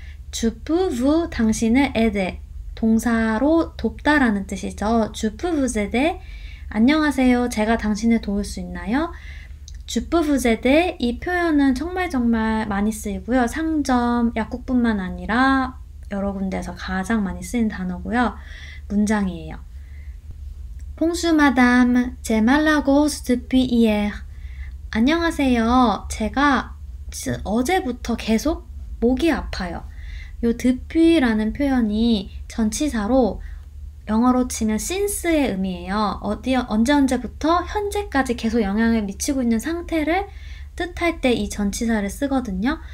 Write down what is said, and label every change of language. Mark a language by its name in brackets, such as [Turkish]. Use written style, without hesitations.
[Korean] 주푸부 당신을 에데 동사로 돕다라는 뜻이죠. 주푸부제데 안녕하세요. 제가 당신을 도울 수 있나요? 주프부제대 이 표현은 정말 정말 많이 쓰이고요. 상점, 약국뿐만 아니라 여러 군데에서 가장 많이 쓰인 단어고요. 문장이에요. [French] Bonjour madame, j'ai mal à gorge depuis hier. [Korean] 안녕하세요. 제가 어제부터 계속 목이 아파요. 요 depuis라는 표현이 전치사로 영어로 치면 since의 의미예요. 어디 언제 언제부터 현재까지 계속 영향을 미치고 있는 상태를 뜻할 때 이 전치사를 쓰거든요.